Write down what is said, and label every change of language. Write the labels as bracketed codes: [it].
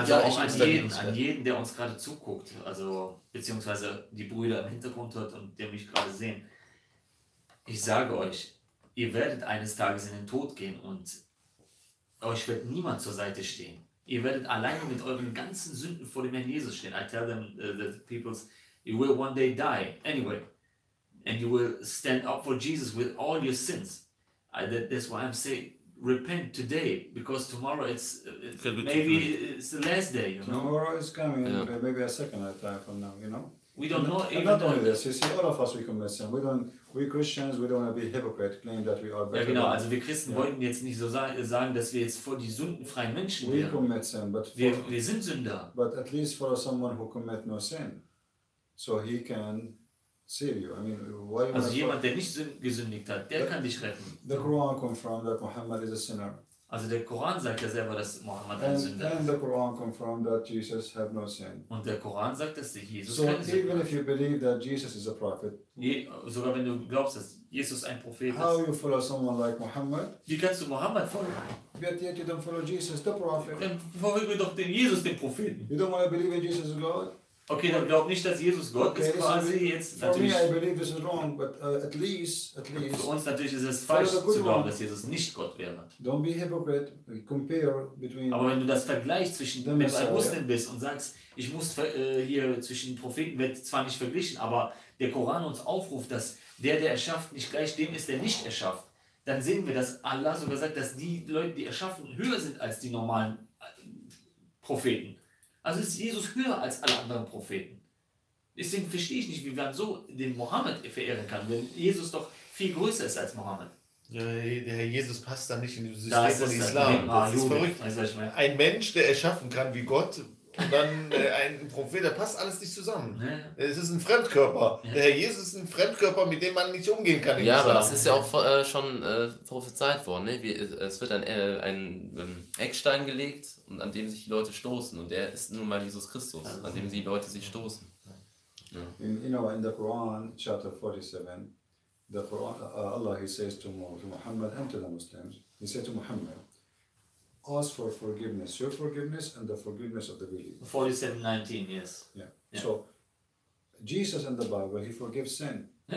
[de] also ja, auch ich an installiere jeden, an jeden, der uns gerade zuguckt, also beziehungsweise die Brüder im Hintergrund hört und der mich gerade sehen. Ich sage euch, ihr werdet eines Tages in den Tod gehen und euch wird niemand zur Seite stehen. Ihr werdet alleine mit euren ganzen Sünden vor dem Herrn Jesus stehen. [en] I tell them, the people, you will one day die anyway. And you will stand up for Jesus with all your sins. That's why I'm saying, repent today, because tomorrow it's the last day. You know? Tomorrow is coming, yeah. Maybe a second time from now, you know? We don't know. And not only this, you see, all of us, we commit sin. We Christians, we don't want to be hypocrite, claim that we are better. [de] Ja, genau. Also wir Christen wollten jetzt nicht so sagen, dass wir jetzt vor die sündenfreien Menschen wären. [en] We commit sin, but [de] wir sind Sünder. [en] But at least for someone who commit no sin, so he can save you. I mean, why [de] also jemand, der nicht gesündigt hat, der kann dich retten. [en] The Quran confirmed that Muhammad is a sinner. [de] Also der Koran sagt ja selber, dass Mohammed ein Sünder ist. [en] And the Quran confirmed that Jesus have no sin. [de] Und der Koran sagt, dass Jesus keine Sünde hat. [en] So even if you believe that Jesus is a prophet. [de] Sogar wenn du glaubst, dass Jesus ein Prophet ist. [en] How you follow someone like Muhammad? [de] Wie kannst du Mohammed folgen? [en] But yet you don't follow Jesus, the prophet. [de] Dann folge doch den Jesus, den Propheten. [en] You don't want to believe in Jesus is God? [de] Okay, dann glaub nicht, dass Jesus Gott ist, quasi jetzt natürlich. [en] For me, I believe this is wrong, but at least. [de] Für uns natürlich ist es falsch zu glauben, dass Jesus nicht Gott wäre. [en] Don't be hypocrite. Compare between. [de] Aber wenn du das vergleichst zwischen dem Muslim bist und sagst, ich muss hier zwischen Propheten wird zwar nicht verglichen, aber der Koran uns aufruft, dass der erschafft, nicht gleich dem ist, der nicht erschafft. Dann sehen wir, dass Allah sogar sagt, dass die Leute, die erschaffen, höher sind als die normalen Propheten. Also ist Jesus höher als alle anderen Propheten. Deswegen verstehe ich nicht, wie man so den Mohammed verehren kann, wenn Jesus doch viel größer ist als Mohammed. Ja, der Herr Jesus passt da nicht in das System des Islam. Das ist verrückt. Ein Mensch, der erschaffen kann wie Gott, und dann ein Prophet, der passt alles nicht zusammen. Ja. Es ist ein Fremdkörper. Der Herr Jesus ist ein Fremdkörper, mit dem man nicht umgehen kann. Ja, aber das ist ja auch schon prophezeit worden. Ne? Es wird ein Eckstein gelegt, und an dem sich die Leute stoßen. Und der ist nun mal Jesus Christus, an dem die Leute sich stoßen. Ja. [en] In the Quran, chapter 47, the Quran, Allah, he says to Muhammad and to the Muslims, he said to Muhammad, ask for forgiveness, your forgiveness and the forgiveness of the believers. 47:19, yes. Yeah. So, Jesus in the Bible, he forgives sin.